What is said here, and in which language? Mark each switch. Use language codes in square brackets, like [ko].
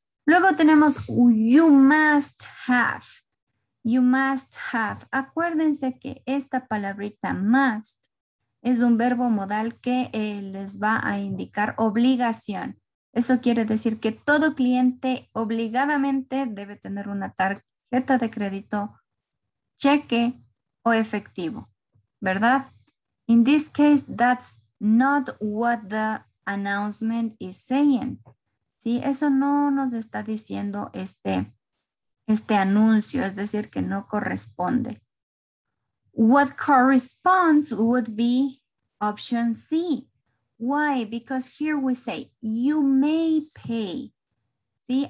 [es] Luego tenemos [en] you must have. You must have. [es] Acuérdense que esta palabrita [en] must [es] es un verbo modal que les va a indicar obligación. Eso quiere decir que todo cliente obligadamente debe tener una tarjeta de crédito, cheque o efectivo, ¿verdad? [en] In this case, that's not what the announcement is saying. [es] ¿Sí? Eso no nos está diciendo este anuncio, es decir, que no corresponde. [en] What corresponds would be option C. Why? Because here we say, you may pay. ¿Sí?